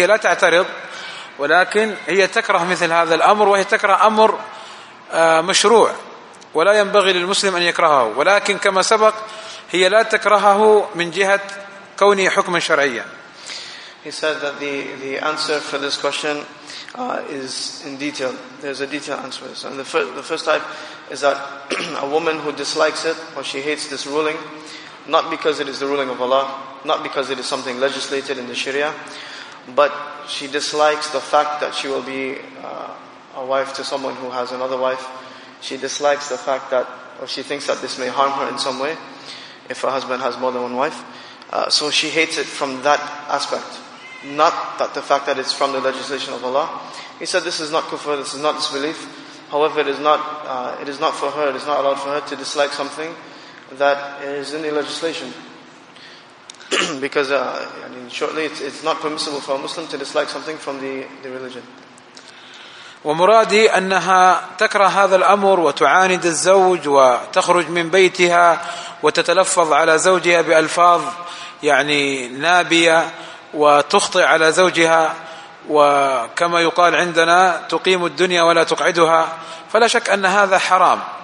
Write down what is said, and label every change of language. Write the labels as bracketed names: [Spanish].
[Arabic] هي لا تعترض، ولكن هي تكره مثل هذا الأمر، وهي تكره أمر مشروع ولا ينبغي للمسلم أن يكرهه، ولكن كما سبق هي لا تكرهه من جهة كونه حكما شرعيا. [English] He said that the answer for this question is in detail. There's a detailed answer for this. And the first type is that a woman who dislikes it or she hates this ruling, not because it is the ruling of Allah, not because it is something legislated in the Sharia, but she dislikes the fact that she will be a wife to someone who has another wife. She dislikes the fact that, or she thinks that this may harm her in some way if her husband has more than one wife. So she hates it from that aspect, not that the fact that it's from the legislation of Allah. He said this is not kufr, this is not disbelief. However, it is not for her, it is not allowed for her to dislike something that is in the legislation. Because shortly, it's not permissible for a Muslim to dislike something from the religion. [Arabic] ومرادي أنها تكره هذا الأمر وتعاند الزوج وتخرج من بيتها وتتلفظ على زوجها بألفاظ يعني نابية وتخطئ على زوجها، وكما يقال عندنا تقيم الدنيا ولا تقعدها، فلا شك أن هذا حرام.